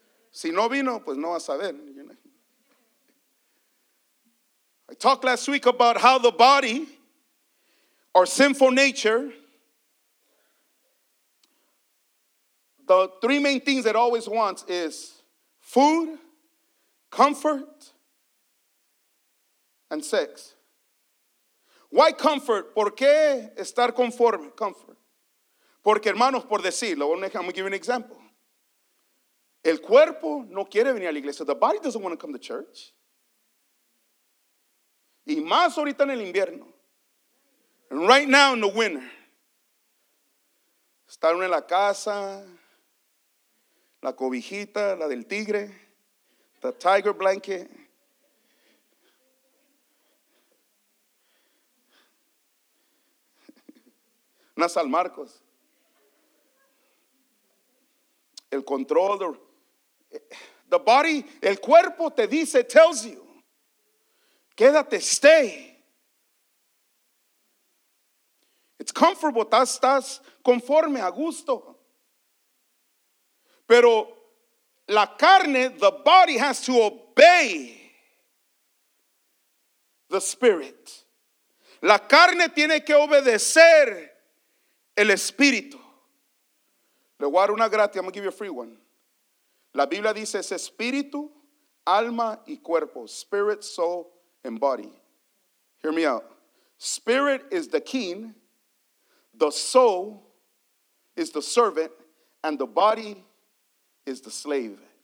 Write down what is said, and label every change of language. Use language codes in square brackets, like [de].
[es] Si no vino, pues no va a saber. [en] I talked last week about how the body, our sinful nature, the three main things it always wants is food, comfort, and sex. [es] Why comfort? ¿Por qué estar conforme? Comfort. [en] Porque, hermanos, por decirlo, I'm going to give you an example. [es] El cuerpo no quiere venir a la iglesia. [en] The body doesn't want to come to church. Y más ahorita en el invierno. And right now in the winter. [es] Estar en la casa. La cobijita, la del tigre, the tiger blanket. Una San Marcos. El control. The body, el cuerpo te dice, tells you, quédate, stay. It's comfortable, estás conforme, a gusto. [en] Pero la carne, the body has to obey the spirit. [es] La carne tiene que obedecer el espíritu. [en] Le voy a dar una gratis, I'm going to give you a free one. [es] La Biblia dice, es espíritu, alma y cuerpo. [en] Spirit, soul, and body. Hear me out. Spirit is the king. The soul is the servant. And the body is the slave.